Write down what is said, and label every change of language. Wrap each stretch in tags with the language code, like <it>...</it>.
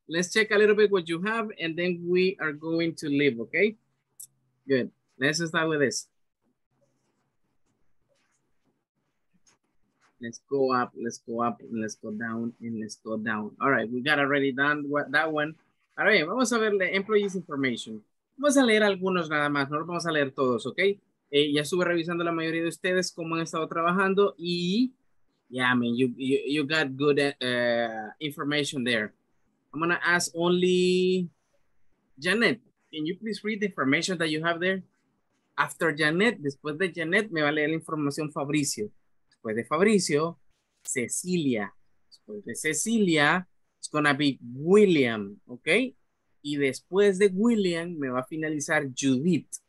<en>Let's check a little bit what you have, and then we are going to leave, okay? Good. Let's start with this. Let's go up, let's go down. All right, we got already done that one. All right,</en> <es>vamos a ver</es> <en>the employees information.</en> <es>Vamos a leer algunos nada más, no los vamos a leer todos, okay? Ya estuve revisando la mayoría de ustedes cómo han estado trabajando y</es> <en>you got good information there. I'm gonna ask only Janet, can you please read the information that you have there? After Janet,</en> <es>después de Janet, me va a leer la información Fabricio. Después de Fabricio, Cecilia. Después de Cecilia,</es> <en>it's gonna be William, okay?</en> <es>Y después de William, me va a finalizar Judith.</es>